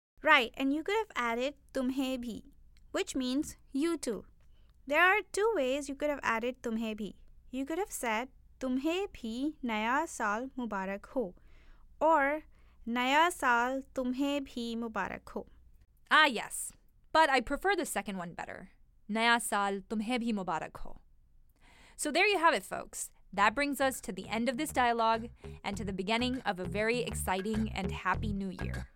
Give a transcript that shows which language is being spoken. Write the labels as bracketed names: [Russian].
[English] Right, and you could have added [Urdu] tumhe bhi, [English] which means you too. There are two ways you could have added [Urdu] tumhe bhi. [English] You could have said [Urdu] tumhe bhi naya saal mubarak ho, [English] or [Urdu] naya saal tumhe bhi mubarak ho. [English] Ah, yes. But I prefer the second one better. [Urdu] نیا سال تمہیں بھی مبارک ہو۔ [English] So there you have it, folks. That brings us to the end of this dialogue and to the beginning of a very exciting and happy new year.